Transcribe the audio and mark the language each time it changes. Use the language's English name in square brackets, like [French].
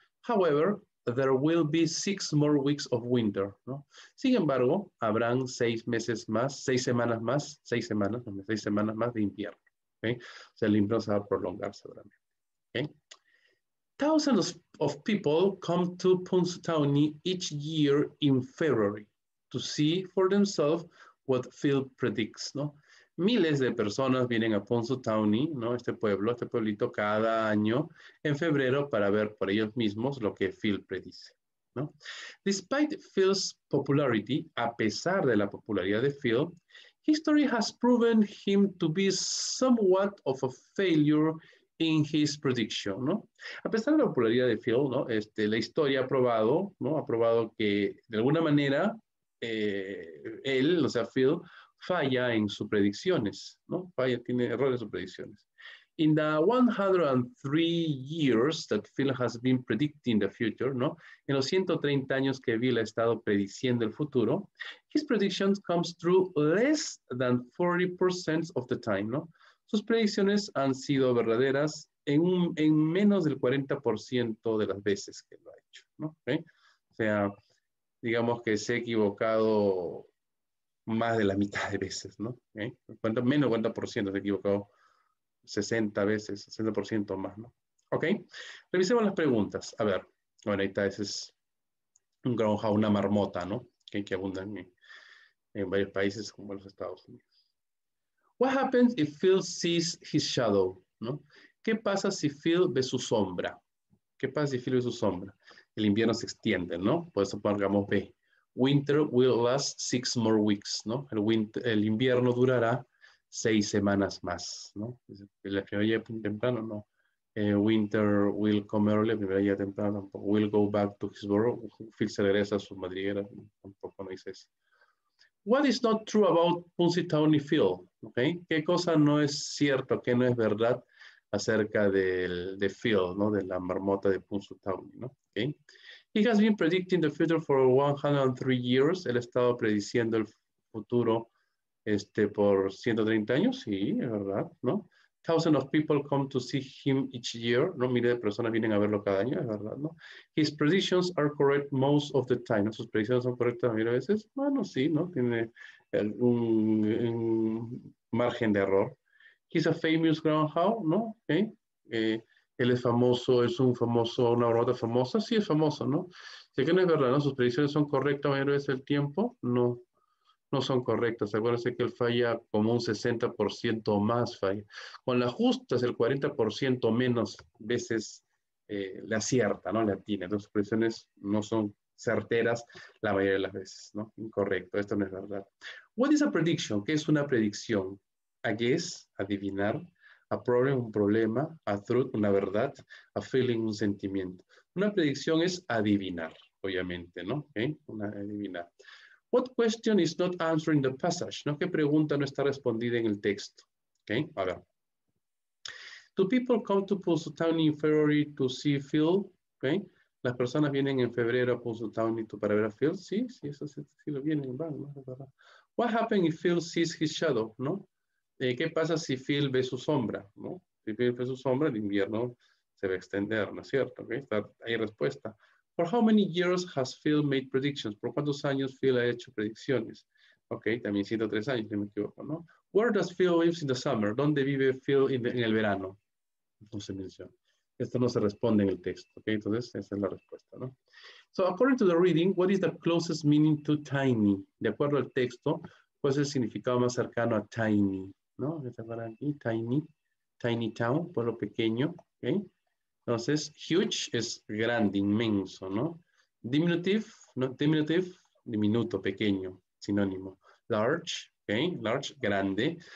[English] However, there will be 6 more weeks of winter, ¿no? [Spanish] Sin embargo, habrán 6 meses más, 6 semanas más, 6 semanas, ¿no? 6 semanas más de invierno, ¿okay? O sea, el invierno se va a prolongar seguramente, ¿okay? [English] Thousands of people come to Punxsutawney each year in February to see for themselves what Phil predicts, ¿no? [Spanish] Miles de personas vienen a Punxsutawney, ¿no? Este pueblo, este pueblito, cada año en febrero para ver por ellos mismos lo que Phil predice, ¿no? [English] Despite Phil's popularity, [Spanish] a pesar de la popularidad de Phil, [English] history has proven him to be somewhat of a failure in his prediction, ¿no? [Spanish] A pesar de la popularidad de Phil, ¿no? La historia ha probado, ¿no? Ha probado que de alguna manera él, o sea, Phil, falla en sus predicciones, ¿no? Falla, tiene errores en sus predicciones. [English] In the 103 years that Phil has been predicting the future, ¿no? [Spanish] En los 130 años que Phil ha estado prediciendo el futuro, [English] his prediction comes true less than 40% of the time, [Spanish] ¿no? Sus predicciones han sido verdaderas en menos del 40% de las veces que lo ha hecho, ¿no? ¿Okay? O sea, digamos que se ha equivocado más de la mitad de veces, ¿no? ¿Eh? ¿Cuánto, menos 40% se ha equivocado 60 veces, 60% más, ¿no? ¿Ok? Revisemos las preguntas. A ver, bueno, ahí está, ese es un groundhog, una marmota, ¿no? ¿Okay? Que abundan en varios países como en los Estados Unidos. [English] What happens if Phil sees his shadow, ¿no? [Spanish] ¿Qué pasa si Phil ve su sombra? ¿Qué pasa si Phil ve su sombra? El invierno se extiende, ¿no? Por eso pongamos B. [English] Winter will last 6 more weeks, [Spanish] ¿no? El invierno durará 6 semanas más, ¿no? La primavera ya temprano, ¿no? [English] Winter will come early, [Spanish] la primavera ya temprano tampoco. [English] Will go back to his burrow. [Spanish] Phil se regresa a su madriguera, tampoco no dice eso. [English] What is not true about Punxsutawney Phil? [Spanish] ¿Okay? ¿Qué cosa no es cierto, qué no es verdad acerca de Phil, ¿no? De la marmota de Punxsutawney, ¿no? ¿Okay? [English] He has been predicting the future for 103 years. [Spanish] Él ha estado prediciendo el futuro por 130 años, sí, es verdad, ¿no? [English] Thousands of people come to see him each year. [Spanish] No, miles de personas vienen a verlo cada año, es verdad, ¿no? [English] His predictions are correct most of the time. [Spanish] Sus predicciones son correctas a veces. Bueno, sí, ¿no? Tiene un margen de error. [English] He's a famous groundhog, ¿no? Okay. [Spanish] Él es famoso, es un famoso, una brota famosa. Sí, es famoso, ¿no? Sé que no es verdad, ¿no? Sus predicciones son correctas a veces el tiempo. No son correctas. Acuérdense que él falla como un 60% o más falla. Con la justa es el 40% menos veces le acierta, ¿no? Le atina. Entonces, sus predicciones no son certeras la mayoría de las veces, ¿no? Incorrecto. Esto no es verdad. [English] What is a prediction? [Spanish] ¿Qué es una predicción? [English] A guess, [Spanish] adivinar. [English] A problem, [Spanish] un problema. [English] A truth, [Spanish] una verdad. [English] A feeling, [Spanish] un sentimiento. Una predicción es adivinar, obviamente, ¿no? ¿Okay? Una adivinar. [English] What question is not answered in the passage? [Spanish] ¿No? ¿Qué pregunta no está respondida en el texto? [English] ¿Okay? A ver. Do people come to Pulse Town in February to see Phil? ¿Okay? [Spanish] ¿Las personas vienen en febrero a Pulse Town para ver a Phil? Sí, sí, eso sí, sí lo vienen. [English] What happens if Phil sees his shadow? [Spanish] ¿No? ¿Qué pasa si Phil ve su sombra? ¿No? Si Phil ve su sombra, el invierno se va a extender, ¿no es cierto? ¿Okay? Hay respuesta. [English] For how many years has Phil made predictions? [Spanish] ¿Por cuántos años Phil ha hecho predicciones? Ok, también 103 años, si no me equivoco, ¿no? [English] Where does Phil live in the summer? [Spanish] ¿Dónde vive Phil en el verano? No se menciona. Esto no se responde en el texto, ¿ok? Entonces, esa es la respuesta, ¿no? [English] So, according to the reading, what is the closest meaning to tiny? [Spanish] De acuerdo al texto, ¿cuál es el significado más cercano a tiny? ¿No? ¿Se acuerdan aquí? Tiny, tiny town, pueblo pequeño, ¿ok? Entonces, huge es grande, inmenso, ¿no? Diminutive, ¿no? Diminutive, diminuto, pequeño, sinónimo. Large, ¿ok? Large, grande.